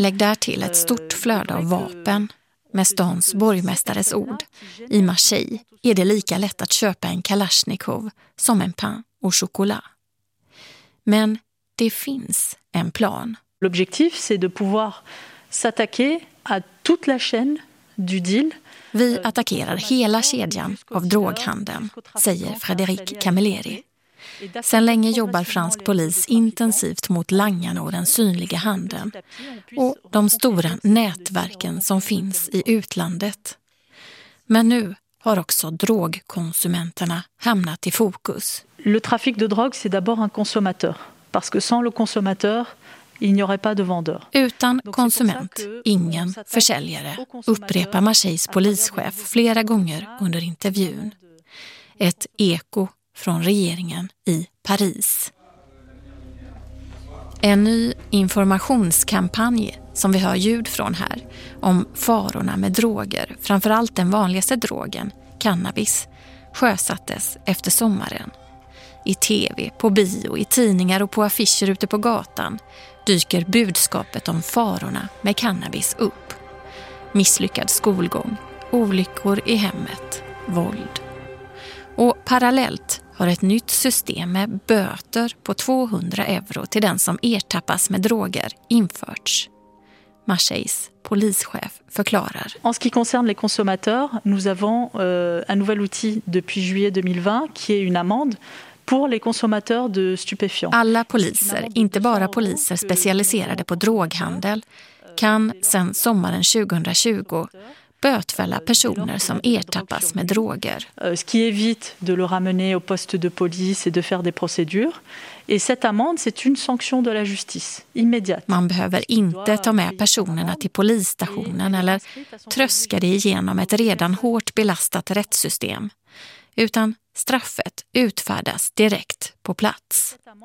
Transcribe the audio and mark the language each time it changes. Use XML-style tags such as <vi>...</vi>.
<sv>Lägg där till ett stort flöde av vapen. Med stans borgmästares ord, i Marseille är det lika lätt att köpa en kalashnikov som en pain au chocolat. Men det finns en plan.</sv> <fr>L'objectif c'est de pouvoir s'attaquer à toute la chaîne du deal.</fr> <sv>Vi attackerar hela kedjan av droghandeln, säger Frédéric Camilleri. Sen länge jobbar fransk polis intensivt mot langarna och den synliga handeln och de stora nätverken som finns i utlandet. Men nu har också drogkonsumenterna hamnat i fokus. Le trafic de drogue c'est d'abord un consommateur parce que sans le consommateur il n'y aurait pas de vendeur. Utan konsument ingen försäljare, upprepar Marseilles polischef flera gånger under intervjun. Ett eko från regeringen i Paris. En ny informationskampanj som vi hör ljud från här om farorna med droger, framförallt den vanligaste drogen, cannabis, sjösattes efter sommaren. I tv, på bio, i tidningar och på affischer ute på gatan dyker budskapet om farorna med cannabis upp. Misslyckad skolgång, olyckor i hemmet, våld. Och parallellt har ett nytt system med böter på 200 euro till den som ertappas med droger införts. Marseilles polischef förklarar.</sv> <fr>En ce qui concerne les consommateurs, nous avons un nouvel outil depuis juillet 2020 qui est une amende pour les consommateurs de stupéfiants.</fr> <sv>Alla poliser, inte bara poliser specialiserade på droghandel, kan sedan sommaren 2020 bötfälla personer som ertappas med droger.</sv> <fr>Ce qui évite de le ramener au poste de police et de faire des procédures. Et cette amende, c'est une sanction de la justice immédiate.</fr> <sv>Man behöver inte ta med personerna till polisstationen eller tröska dig igenom ett redan hårt belastat rättssystem, utan straffet utfärdas direkt på plats.</sv>